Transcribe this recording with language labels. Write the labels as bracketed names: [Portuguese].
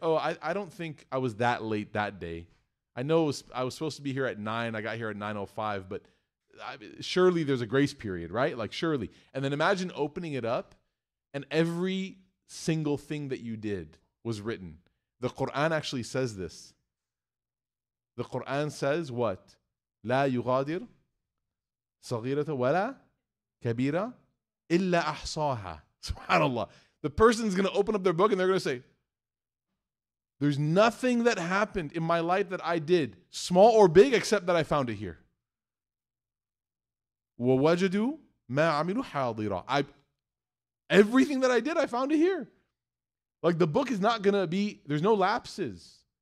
[English] Oh, I don't think I was that late that day. I know I was supposed to be here at 9. I got here at 9:05, but surely there's a grace period, right? Like surely. And then imagine opening it up and every single thing that you did was written. The Quran actually says this. The Quran says what? [Arabic] لا يغادر صغيرة ولا كبيرة إلا أحصاها. Subhanallah. [English] The person's going to open up their book and they're going to say, there's nothing that happened in my life that I did, small or big, except that I found it here. [Arabic] وَوَجَدُوا مَا عَمِلُوا حَاضِرًا. [English] Everything that I did, I found it here. Like the book is not going to be, there's no lapses.